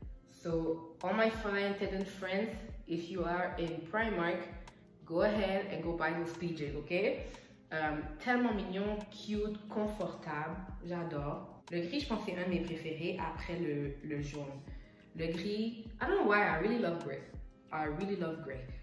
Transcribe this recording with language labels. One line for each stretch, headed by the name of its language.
English: So, all my fine Tedden friends, if you are in Primark, go ahead and go buy those PJs, ok?
French: Tellement mignon, cute, confortable, j'adore. Le gris, je pense que c'est un de mes préférés après le jaune. Le gris,
English: I don't know why, I really love gray.